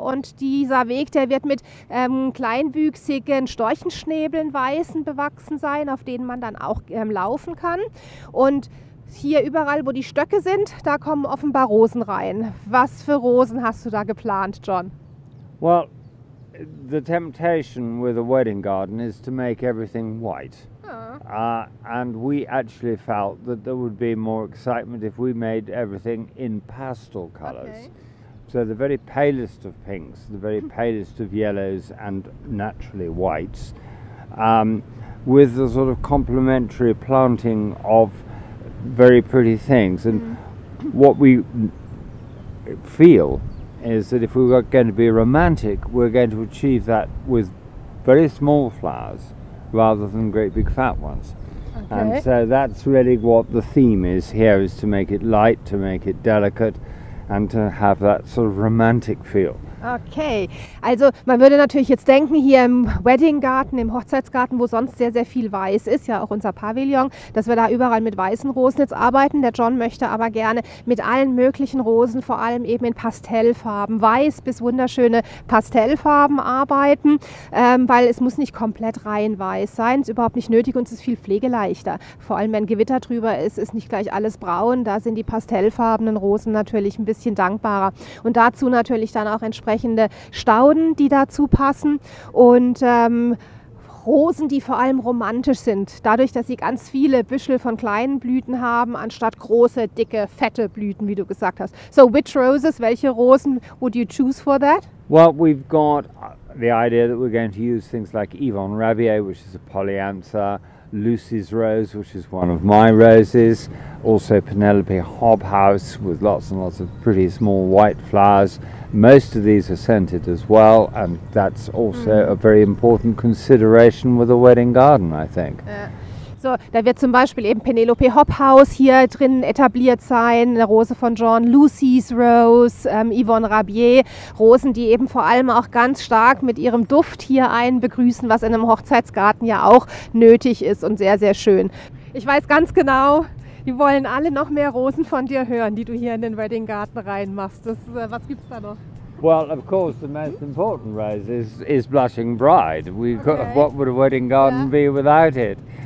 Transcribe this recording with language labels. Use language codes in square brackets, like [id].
[de] Und dieser Weg, der wird mit kleinwüchsigen Storchenschnäbeln weißen bewachsen sein, auf denen man dann auch laufen kann. Und hier überall, wo die Stöcke sind, da kommen offenbar Rosen rein. Was für Rosen hast du da geplant, John? [en] Well, the temptation with a wedding garden is to make everything white. And we actually felt that there would be more excitement if we made everything in pastel colours. Okay. So the very palest of pinks, the very palest of yellows and naturally whites, with a sort of complementary planting of very pretty things. And what we feel is that if we were going to be romantic, we're going to achieve that with very small flowers rather than great big fat ones. Okay. And so that's really what the theme is here, is to make it light, to make it delicate and to have that sort of romantic feel. [de] Okay, also man würde natürlich jetzt denken, hier im Weddinggarten, im Hochzeitsgarten, wo sonst sehr, sehr viel weiß ist, ja auch unser Pavillon, dass wir da überall mit weißen Rosen jetzt arbeiten. Der John möchte aber gerne mit allen möglichen Rosen, vor allem eben in Pastellfarben, weiß bis wunderschöne Pastellfarben arbeiten, weil es muss nicht komplett rein weiß sein, ist überhaupt nicht nötig und es ist viel pflegeleichter. Vor allem, wenn Gewitter drüber ist, ist nicht gleich alles braun, da sind die pastellfarbenen Rosen natürlich ein bisschen dankbarer. Und dazu natürlich dann auch entsprechende Stauden, die dazu passen und Rosen, die vor allem romantisch sind, dadurch, dass sie ganz viele Büschel von kleinen Blüten haben, anstatt große, dicke, fette Blüten, wie du gesagt hast. [en] So, which roses, [de] welche Rosen [en] would you choose for that? Well, we've got the idea that we're going to use things like Yvonne Rabier, which is a polyanther, Lucy's Rose, which is one of my roses. Also Penelope Hobhouse with lots and lots of pretty small white flowers. Most of these are scented as well, and that's also a very important consideration with a wedding garden, I think. [de] So, da wird zum Beispiel eben Penelope Hobhouse hier drin etabliert sein, eine Rose von John, Lucy's Rose, Yvonne Rabier, Rosen, die eben vor allem auch ganz stark mit ihrem Duft hier einen begrüßen, was in einem Hochzeitsgarten ja auch nötig ist und sehr, sehr schön. Ich weiß ganz genau, die wollen alle noch mehr Rosen von dir hören, die du hier in den Wedding Garten reinmachst. Was gibt's da noch? [en] Well, of course, the most important rose is Blushing Bride. What would a wedding garden be without it?